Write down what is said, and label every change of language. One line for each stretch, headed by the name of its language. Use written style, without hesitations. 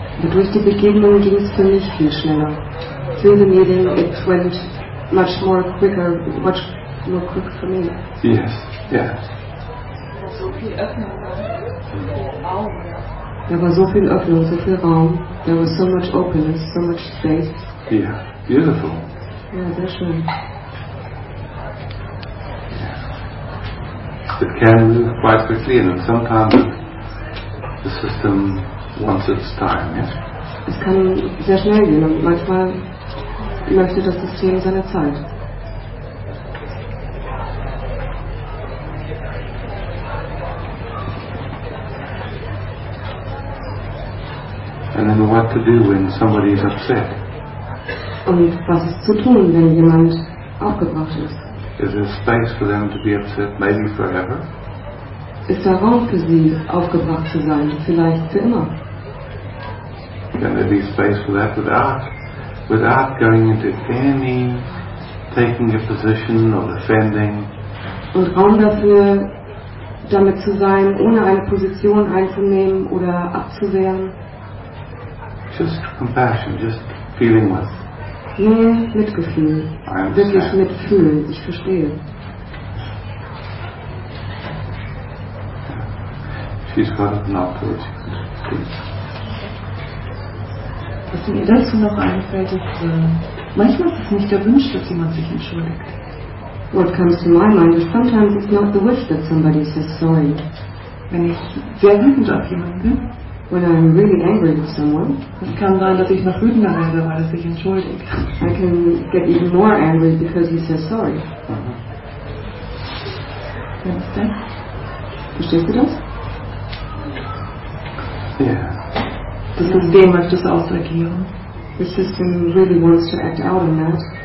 German: Durch die Begegnung ging es für mich viel schneller.
English: Through the meeting, it went much more quick for me. Yes, yes.
German: So viel Öffnung, so viel Raum.
English: There was so viel Raum. There was so much openness, so much space. Yeah, beautiful.
German: Yeah, sehr schön.
English: It can move quite quickly, and sometimes the system wants its time. Yeah.
German: Es kann sehr schnell gehen und manchmal möchte das System seine Zeit.
English: And then what to do when somebody is upset?
German: Und was ist zu tun, wenn jemand aufgebracht ist?
English: Is there space for them to be upset, maybe forever?
German: Ist da Raum für sie, aufgebracht zu sein, vielleicht für immer?
English: Can there be space for that without going into any taking a position or defending?
German: Und Raum dafür, damit zu sein, ohne eine Position einzunehmen oder abzuwehren?
English: Just compassion, just feeling with.
German: Nur Mitgefühl. Wirklich mitfühlen, ich verstehe.
English: She's got it not to it.
German: Was mir dazu noch einfällt, ist, manchmal ist es nicht der Wunsch, dass jemand sich entschuldigt.
English: What comes to my mind is sometimes it's not the wish that somebody says sorry.
German: Wenn ich sehr wütend auf jemanden bin,
English: when I'm really angry with someone,
German: es kann sein, dass ich noch wütender werde, weil er sich entschuldigt.
English: I can get even more angry because he says sorry. Mm-hmm.
German: Verstehst du das?
English: Yeah.
German: Das System möchte es ausagieren.
English: The system really wants to act out on that.